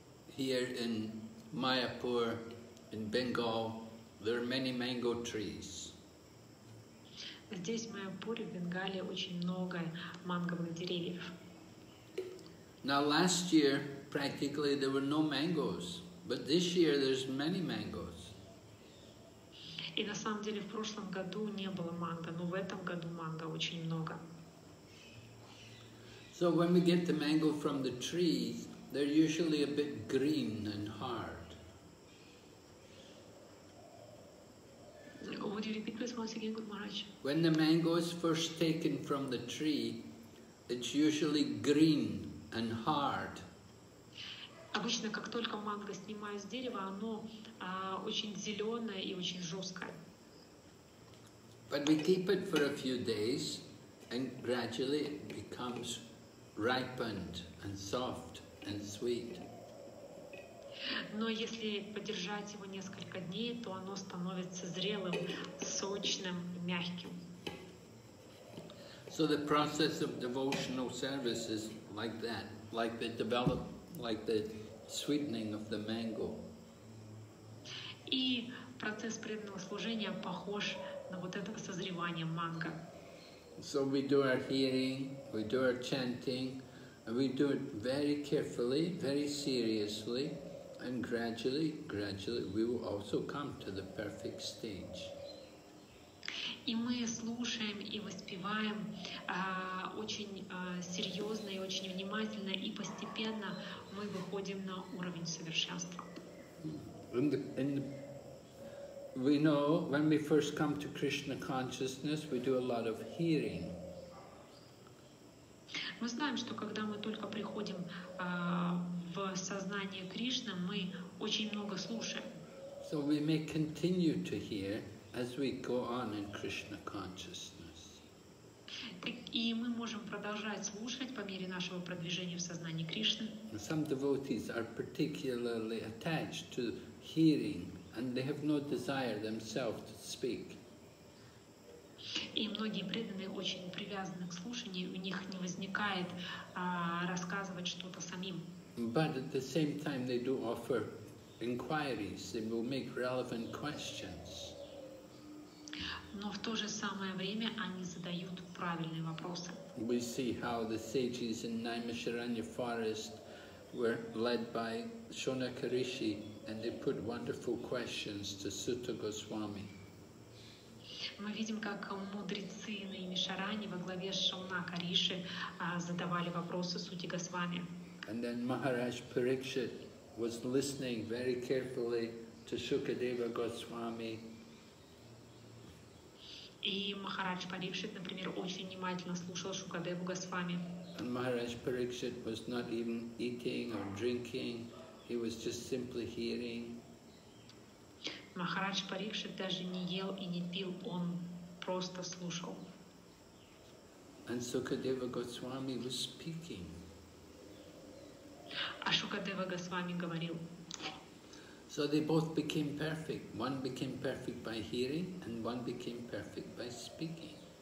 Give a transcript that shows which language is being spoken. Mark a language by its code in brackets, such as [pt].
[en] Here in Mayapur, in Bengal, there are many mango trees. [ru] Здесь, в Майяпуре, в Бенгалии, очень много манговых деревьев. [en] Now last year, practically, there were no mangoes, but this year there's many mangoes. [ru] И на самом деле, в прошлом году не было манго, но в этом году манго очень много. [en] So when we get the mango from the trees, they're usually a bit green and hard. Would you repeat this once again, Guru Maharaj? When the mango is first taken from the tree, it's usually green and hard. [ru] Обычно, как только манго снимают с дерева, оно очень зеленое и очень жесткое. [en] But we keep it for a few days, and gradually it becomes ripened and soft and sweet. [ru] Но если подержать его несколько дней, то оно становится зрелым, сочным, мягким. [en] So the process of devotional service is like that, like the sweetening of the mango. [ru] И процесс преданного служения похож на вот это созревание манго. [en] So we do our hearing, we do our chanting, and we do it very carefully, very seriously. And gradually, we will also come to the perfect stage. [ru] И мы слушаем и воспеваем очень серьезно и очень внимательно, и постепенно мы выходим на уровень совершенства. [en] We know when we first come to Krishna consciousness, we do a lot of hearing. [ru] Мы знаем, что когда мы только приходим в сознание Кришны, мы очень много слушаем. [en] So we may continue to hear as we go on in Krishna consciousness. [ru] И мы можем продолжать слушать по мере нашего продвижения в сознании Кришны. [en] Some devotees are particularly attached to hearing, and they have no desire themselves to speak. [ru] И многие преданные очень привязаны к слушанию, у них не возникает рассказывать что-то самим. [en] But at the same time they do offer inquiries, they will make relevant questions. [ru] Но в то же самое время они задают правильные вопросы. [en] We see how the sages in Naimisharanya forest were led by Shonaka Rishi, and they put wonderful questions to Suta Goswami. [ru] Мы видим, как мудрецы на Имишаране во главе с Шаунака Риши задавали вопросы Сути Госвами. [en] And then Maharaj Parikshit was listening very carefully to Shukadeva Goswami. [ru] И Махарадж Парикшит, например, очень внимательно слушал Шукадеву Госвами. [en] And Maharaj Parikshit was not even eating or drinking, he was just simply hearing. [ru] Махарадж Парикшит даже не ел и не пил, он просто слушал. [en] And Sukadeva Goswami was speaking. [ru] А Шукадева Госвами говорил. [en] So they both became perfect. One became perfect by hearing, and one became perfect by speaking.